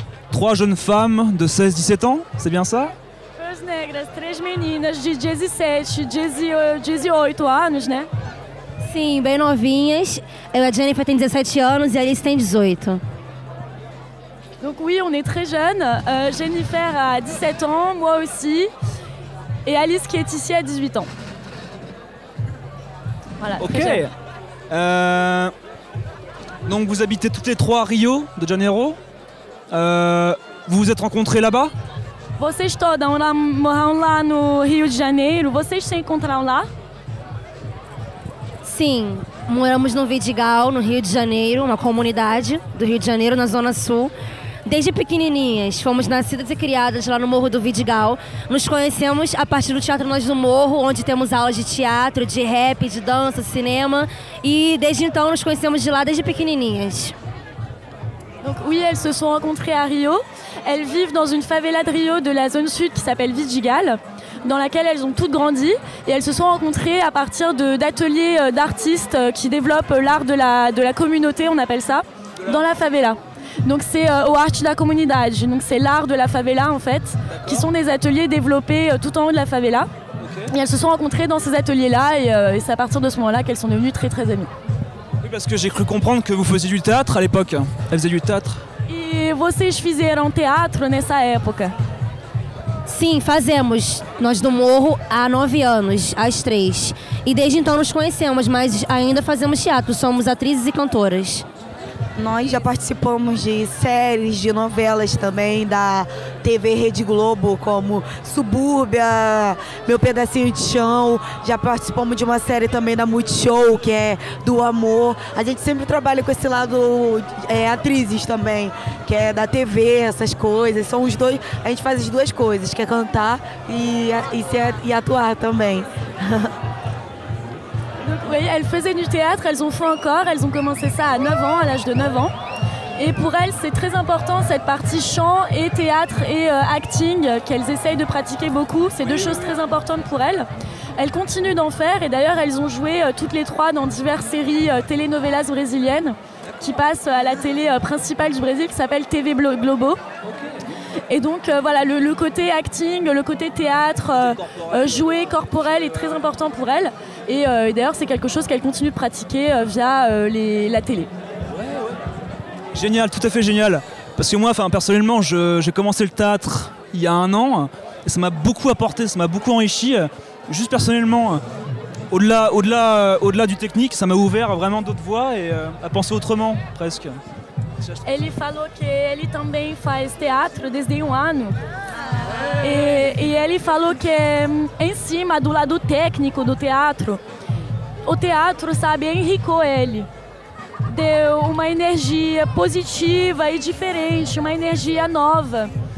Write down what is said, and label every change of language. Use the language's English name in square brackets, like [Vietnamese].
[French] Trois jeunes femmes de 16-17 ans, c'est bien ça? [Portuguese] Perles Negras, três meninas de 17-18 anos, né? Sim, bem novinhas. A Jennifer tem 17 anos e a Alice tem 18. [French] Donc oui, on est très jeunes. Jennifer a 17 ans, moi aussi. Et Alice qui est ici a 18 ans. Voilà, ok. Donc vous habitez toutes les trois à Rio de Janeiro. Vous vous êtes rencontrés là-bas? [Portuguese] Vocês todas moram lá no Rio de Janeiro. Vocês se encontraram lá? Sim, moramos no Vidigal, no Rio de Janeiro, uma comunidade do Rio de Janeiro, na Zona Sul. Desde pequenininhas, fomos nascidas e criadas lá no Morro do Vidigal. Nos conhecemos a partir do Teatro Nós do Morro, onde temos aulas de teatro, de rap, de dança, cinema. E desde então nos conhecemos de lá, desde pequenininhas. [French] Donc, oui, elles se sont rencontrées à Rio. Elles vivent dans une favela de Rio de la zone sud qui s'appelle Vidigal, dans laquelle elles ont toutes grandi. Et elles se sont rencontrées à partir d'ateliers d'artistes qui développent l'art de la communauté, on appelle ça, dans la favela. Donc c'est au Arte da Comunidade, donc c'est l'art de la favela en fait, d'accord, qui sont des ateliers développés tout en haut de la favela. Okay. Et elles se sont rencontrées dans ces ateliers-là et c'est à partir de ce moment-là qu'elles sont devenues très très amies. Oui, parce que j'ai cru comprendre que vous faisiez du théâtre à l'époque. Elles faisaient du théâtre. [Portuguese] Et vocês fizeram teatro nessa época? Sim, fazemos. Nós do Morro há 9 anos, as três. E desde então nos conhecemos, mas ainda fazemos teatro, somos atrizes e cantoras. Nós já participamos de séries, de novelas também da TV Rede Globo, como Subúrbia, Meu Pedacinho de Chão. Já participamos de uma série também da Multishow, que é do amor. A gente sempre trabalha com esse lado, atrizes também, que é da TV, essas coisas. São os dois, a gente faz as duas coisas, que é cantar e atuar também. [French] Oui, elles faisaient du théâtre, elles ont fait encore, elles ont commencé ça à 9 ans, à l'âge de 9 ans. Et pour elles, c'est très important cette partie chant et théâtre et acting qu'elles essayent de pratiquer beaucoup. C'est deux choses très importantes pour elles. Elles continuent d'en faire et d'ailleurs, elles ont joué toutes les trois dans diverses séries telenovelas brésiliennes qui passent à la télé principale du Brésil qui s'appelle TV Globo. Et donc voilà, le côté acting, le côté théâtre, jouer corporel est très important pour elles. Et d'ailleurs, c'est quelque chose qu'elle continue de pratiquer via la télé. Ouais, ouais. Génial, tout à fait génial. Parce que moi, personnellement, j'ai commencé le théâtre il y a un an. Et ça m'a beaucoup apporté, ça m'a beaucoup enrichi. Juste personnellement, au-delà du technique, ça m'a ouvert vraiment d'autres voies et à penser autrement, presque. [Portuguese] Ele falou que ele também faz teatro desde um ano. E ele falou que em cima do lado técnico do teatro, o teatro, sabe, enriqueceu ele. Deu uma energia positiva e diferente, uma energia nova.